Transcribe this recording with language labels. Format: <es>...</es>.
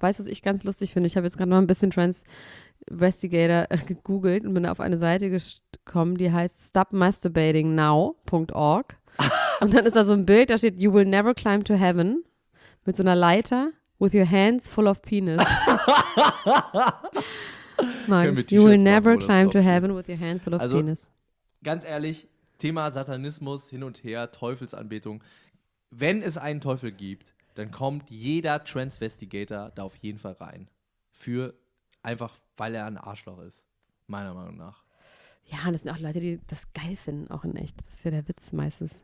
<de>Weißt du, was ich ganz lustig finde? Ich habe jetzt gerade noch ein bisschen Transvestigator gegoogelt und bin auf eine Seite gekommen, die heißt stopmasturbatingnow.org. Und dann ist da so ein Bild, da steht,</de> <en>you will never climb to heaven</en> <de>mit so einer Leiter</de> <en>with your hands full of penis. Max, you will never climb to heaven with your hands full of penis.</en> <de>Ganz ehrlich, Thema Satanismus hin und her, Teufelsanbetung. Wenn es einen Teufel gibt, dann kommt jeder Transvestigator da auf jeden Fall rein. Für einfach, weil er ein Arschloch ist. Meiner Meinung nach. Ja, und das sind auch Leute, die das geil finden, auch in echt. Das ist ja der Witz meistens.</de>